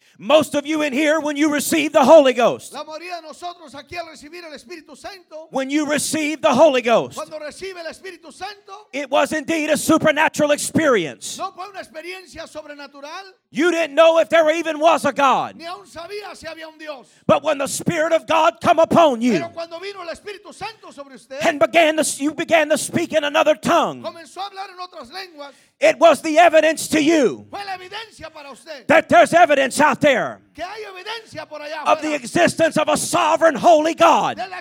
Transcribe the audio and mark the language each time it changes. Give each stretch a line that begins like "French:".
English: Most of you in here, when you receive the Holy Ghost,
Spanish: la mayoría de nosotros aquí al recibir el Espíritu Santo,
English: when you receive the Holy Ghost,
Spanish: cuando recibe el Espíritu Santo,
English: it was indeed a supernatural experience.
Spanish: No fue una experiencia sobrenatural.
English: You didn't know if there even was a God.
Spanish: Ni aún sabía si había un Dios.
English: But when the Spirit of God come upon you,
Spanish: pero cuando vino el Espíritu Santo sobre usted,
English: and you began to speak in another tongue,
Spanish: comenzó a hablar en otras lenguas,
English: it was the evidence to you that there's evidence out there of the existence of a sovereign, holy God.